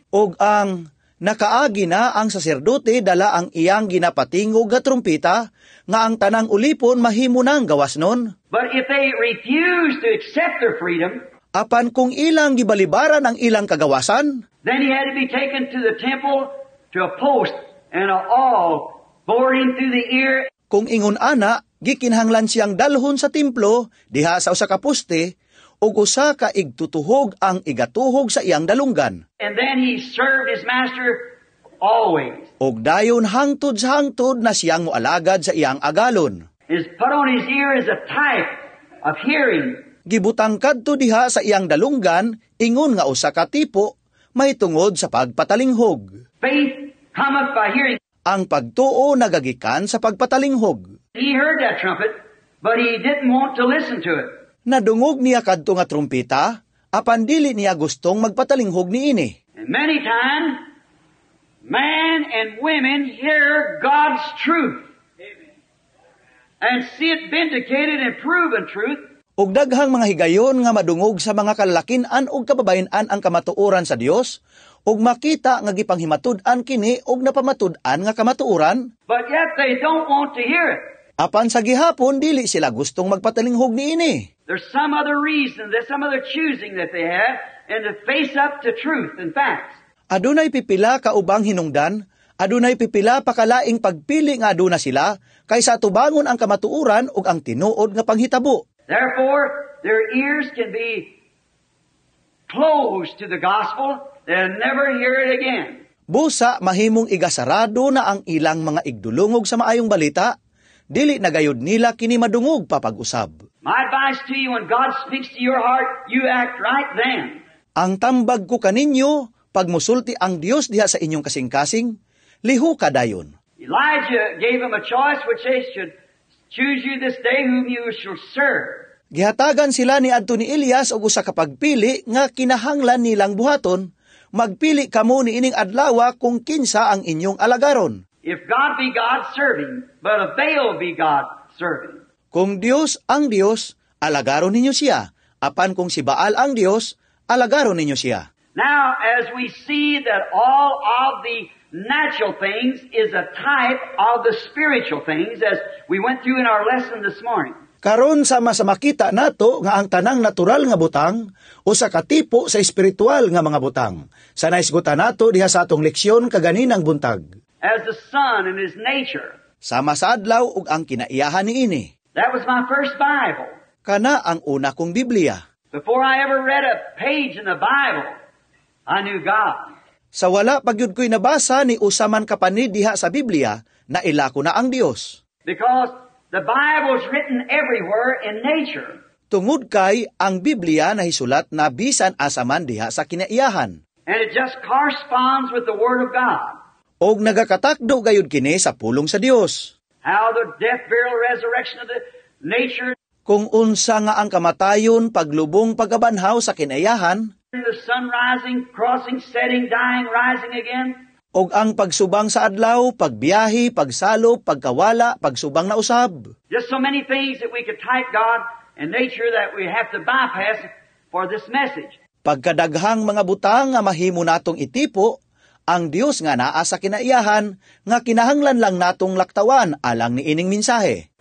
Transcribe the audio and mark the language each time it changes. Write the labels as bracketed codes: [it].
[ceb] Og ang nakaagi na ang saserdote dala ang iyang ginapating o gatrumpita nga ang tanang ulipon mahimo nang gawas nun. [en] But if they refuse to accept their freedom, [ceb] apan kung ilang gibalibaran ang ilang kagawasan, [en] then he had to be taken to the temple to a post and a awl bore him through the ear. [ceb] Kung ingon ana, gikinhanglan siyang dalhon sa templo diha sa usa ka poste ug usa ka igtutuhog ang igatuhog sa iyang dalunggan. [en] And then he served his master always. [ceb] Ug dayon hangtod sa hangtod na siyang mualagad sa iyang agalon. [en] His put on his ear is a type of hearing. [ceb] Gibutang kadto diha sa iyang dalunggan ingon nga usa ka tipo may tungod sa pagpatalinghog. [en] Faith cometh by hearing. [ceb] Ang pagtuo nagagikan sa pagpatalinghog. [en] He heard that trumpet, but he didn't want to listen to it. [ceb] Nadungog niya kadto nga trumpeta, apan dili niya gustong magpatalinghog niini. [en] And many times, men and women hear God's truth. And see it vindicated and proven truth. [ceb] Ug daghang mga higayon nga madungog sa mga kalakinan ug kababayenan ang kamatuoran sa Dios ug makita nga gipanghimatud-an kini ug napamatud-an nga kamatuoran. [en] But yet they don't want to hear it. [ceb] Apan sa gihapon dili sila gustong magpatalinghog niini. [en] There's some other reason, there's some other choosing that they have and to face up to truth and facts. [ceb] Adunay pipila ka ubang hinungdan, adunay pipila pakalaing pagpili nga aduna sila kaysa tubangon ang kamatuoran ug ang tinuod nga panghitabo. [en] Therefore, their ears can be closed to the gospel. They'll never hear it again. [ceb] Busa, mahimong igasarado na ang ilang mga igdulungog sa maayong balita. Dili na gayod nila kini madungog papag-usab. [en] My advice to you, when God speaks to your heart, you act right then. [ceb] Ang tambag ko kaninyo, pagmusulti ang Dios diha sa inyong kasing-kasing, liho ka dayon. [en] Elijah gave him a choice which they should choose you this day whom you shall serve. [ceb] Gihatagan sila ni adto ni Elias og usa ka pagpili nga kinahanglan nilang buhaton, magpili kamo ni ining adlawa kung kinsa ang inyong alagaron. [en] If God be God serving, but if Baal be God serving. [ceb] Kung Dios ang Dios, alagaron ninyo siya. Apan kung si Baal ang Dios, alagaron ninyo siya. [en] Now as we see that all of the natural things is a type of the spiritual things as we went through in our lesson this morning. [ceb] Karon sama sa makita nato nga ang tanang natural nga butang usa ka tipo sa espiritual nga mga butang. Sa naisgutan nato diha sa atong leksyon kaganinang buntag. [en] As the sun and his nature. [ceb] Sama sa adlaw ug ang kinaiyahan niini. [en] That was my first Bible. [ceb] Kana ang una kong Biblia. [en] Before I ever read a page in the Bible, I knew God. [ceb] Sa wala pagyud ko'y nabasa ni usaman kapanid diha sa Biblia, naila ko na ang Dios. [en] Because the Bible is written everywhere in nature. [ceb] Tungod kay ang Biblia na hisulat na bisan asaman diha sa kinaiyahan. [en] And it just corresponds with the Word of God. [ceb] Og nagakatakdo gayud kini sa pulong sa Dios. [en] How the death, burial, resurrection of the nature. [ceb] Kung unsa nga ang kamatayon, paglubong, pagabanhaw sa kinaiyahan. [en] The sun rising, crossing, setting, dying, rising again. [ceb] Og ang pagsubang sa adlaw, pagbiyahi, pagsalo, pagkawala, pagsubang na usab. [en] Just so many things that we could type God and nature that we have to bypass for this message. [ceb] Pagkadaghang mga butang nga mahimo natong itipo, ang Dios nga naa sa kinaiyahan nga kinahanglan lang natong laktawan alang ni ining mensahe.